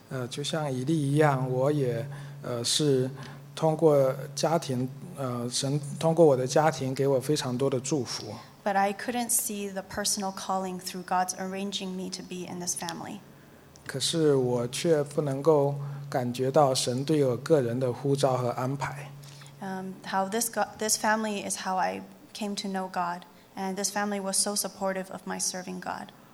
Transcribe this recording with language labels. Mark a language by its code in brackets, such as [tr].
[zh] 就像以利一样，我也是通过家庭，神通过我的家庭给我非常多的祝福。 [en] But I couldn't see the personal calling through God's arranging me to be in this family. [zh] 可是我却不能够感觉到神对我个人的呼召和安排。 [en] How this family is how I came to know God, and this family was so supportive of my serving God.